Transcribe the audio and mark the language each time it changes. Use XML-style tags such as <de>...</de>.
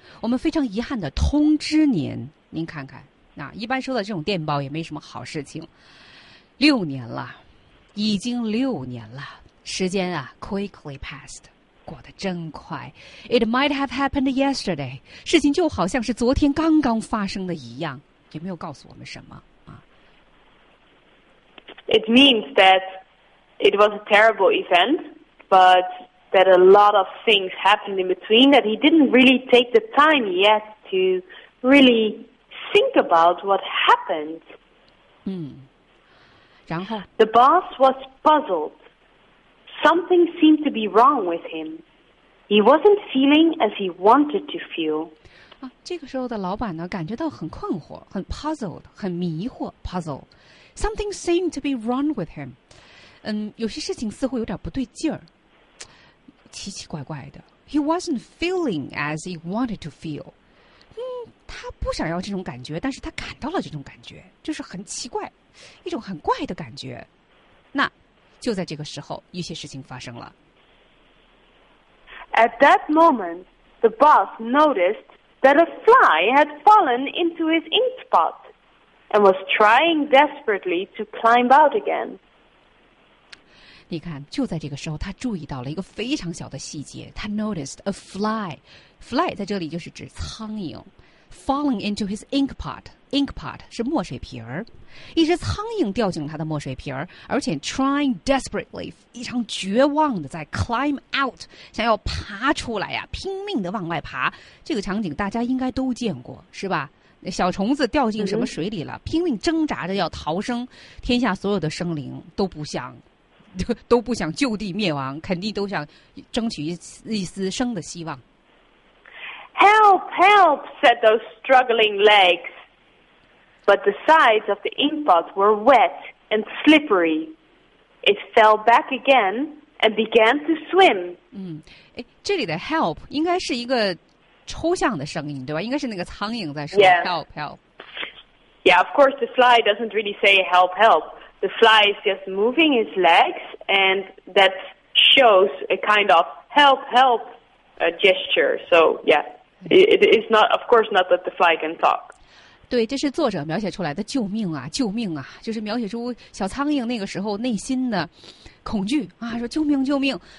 <zh>我们非常遗憾的通知您。您看看，那一般收到这种电报也没什么好事情。六年了，已经六年了，时间啊</zh> <en>quickly passed.</en> <zh>过得真快</zh> <en>，It might have happened yesterday.</en> <zh>事情就好像是昨天刚刚发生的一样，也没有告诉我们什么啊。</zh> <en>It means that it was a terrible event, but that a lot of things happened in between that he didn't really take the time yet to really think about what happened.</en> <zh>然后</zh> <en>，The boss was puzzled. Something seemed to be wrong with him. He wasn't feeling as he wanted to feel.</en> <zh>啊，这个时候的老板呢，感觉到很困惑，很 puzzled， 很迷惑 ，puzzled.</zh> <en>Something seemed to be wrong with him.</en> <zh>有些事情似乎有点不对劲儿，奇奇怪怪的。</zh> <en>He wasn't feeling as he wanted to feel.</en> <zh>他不想要这种感觉，但是他感到了这种感觉，就是很奇怪，一种很怪的感觉。那。就在这个时候，一些事情发生了。</zh> <en>At that moment, the boss noticed that a fly had fallen into his ink spot and was trying desperately to climb out again.</en> <zh>你看，就在这个时候，他注意到了一个非常小的细节。他</zh> <en>noticed a fly.</en> <zh>Fly 在这里就是指苍蝇。</zh> <en>falling into his ink pot.</en> <zh>Ink pot 是墨水瓶儿，一只苍蝇掉进了他的墨水瓶儿，而且</zh> <en>trying desperately</en> <zh>非常绝望的在</zh> <en>climb out</en> <zh>想要爬出来呀，拼命的往外爬。这个场景大家应该都见过，是吧？小虫子掉进什么水里了，拼命挣扎着要逃生，天下所有的生灵都不想。都不想就地灭亡，肯定都想争取一丝生的希望。</zh> <en>Help, help, said those struggling legs. But the sides of the inkpot were wet and slippery. It fell back again and began to swim.</en> <zh>嗯，这里的 help 应该是一个抽象的声音，对吧？应该是那个苍蝇在说</zh> <en>help, help. Yeah, of course, the fly doesn't really say help, help. The fly is just moving his legs, and that shows a kind of help, help, gesture. So, yeah, it's not, of course, not that the fly can talk.</en> <zh>对，这是作者描写出来的救命啊，救命啊，就是描写出小苍蝇那个时候内心的恐惧啊，说救命，救命。</zh>